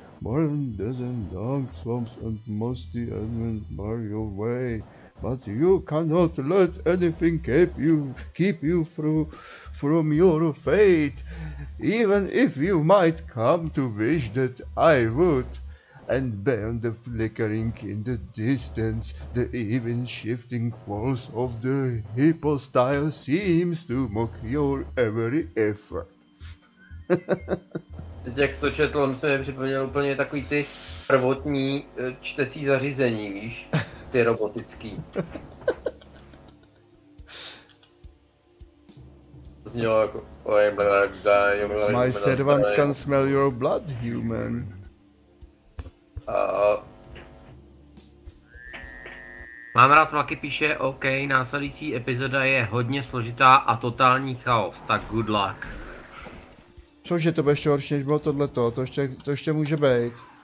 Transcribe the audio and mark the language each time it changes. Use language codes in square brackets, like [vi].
[en] Barren desert dark swamps and musty admins bar your way, but you cannot let anything keep you from your fate, even if you might come to wish that I would. And beyond the flickering in the distance, the even shifting walls of the hypostyle seems to mock your every effort. [cs] Teď jak jsi to četl, on se mi připomněl úplně takový ty prvotní čtecí zařízení, víš, ty robotický. To znělo jako, oj, brak, daj, brak, [en] my servants can smell your blood, human. [cs] Mám rád vlaky, píše, OK, následující epizoda je hodně složitá a totální chaos, tak [en] good luck. [cs] Cože, to bude ještě horší, než bylo tohleto, to ještě může být.